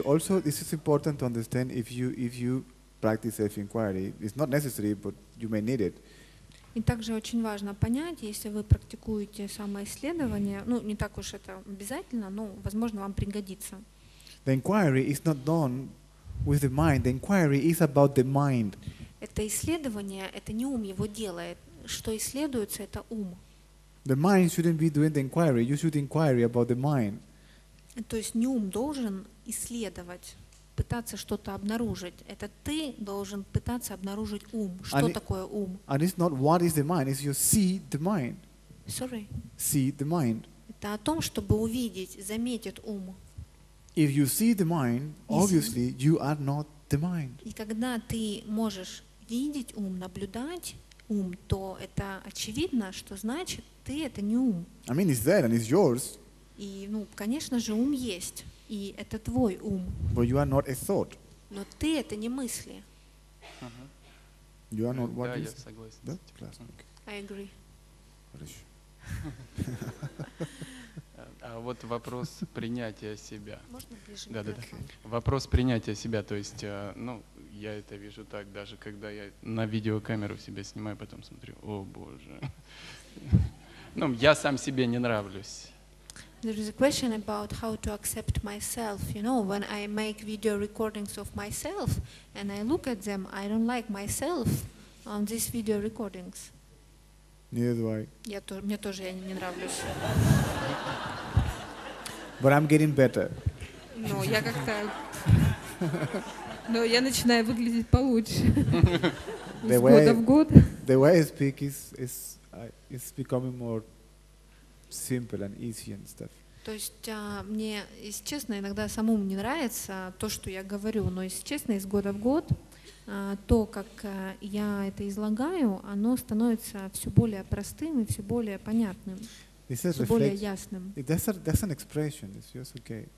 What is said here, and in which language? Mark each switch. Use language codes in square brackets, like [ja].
[en] Also, this is important to understand if you practice self-inquiry. It's not necessary, but you may need it. [ru] И также очень важно понять, если вы практикуете самоисследование, ну, не так уж это обязательно, но, возможно, вам пригодится. [en] The inquiry is not done with the mind. The inquiry is about the mind. [ru] Это исследование, это не ум его делает. Что исследуется, это ум. [en] The mind shouldn't be doing the inquiry. You should inquire about the mind. [ru] То есть не ум должен исследовать, пытаться что-то обнаружить. Это ты должен пытаться обнаружить ум. Что [en] and [ru] такое ум? [en] And it's not what is the mind. It's you see the mind. Sorry. See the mind. [ru] Это о том, чтобы увидеть, заметить ум. [en] If you see the mind, obviously you are not the mind. [ru] И когда ты можешь видеть ум, наблюдать ум, то это очевидно, что значит ты это не ум. [en] I mean, it's there and it's yours. [ru] И, ну, конечно же, ум есть, и это твой ум. [en] But you are not a thought. [ru] Но ты это не мысли. [en] Uh-huh. You are not what yeah, is. [ru] Да, я согласен. Да, классно. [en] I agree. [ru] Хорошо. А вот вопрос принятия себя. Можно ближе? Да. Вопрос принятия себя, то есть, ну, я это вижу так, даже когда я на видеокамеру себя снимаю, потом смотрю, о боже. Ну, я сам себе не нравлюсь. [en] There is a question about how to accept myself. You know, when I make video recordings of myself and I look at them, I don't like myself on these video recordings. Neither do I. [ru] Мне тоже я не нравлюсь. [en] But I'm getting better. [ru] Но я как-то... Но я начинаю выглядеть получше. [en] The [ru] с года в год. [en] The way I speak is becoming more simple and easy and stuff. [ru] То есть мне, если честно, иногда самому не нравится то, что я говорю, но, если честно, из года в год то, как я это излагаю, оно становится все более простым и все более понятным, все более ясным. [en] That's an expression. It's just okay.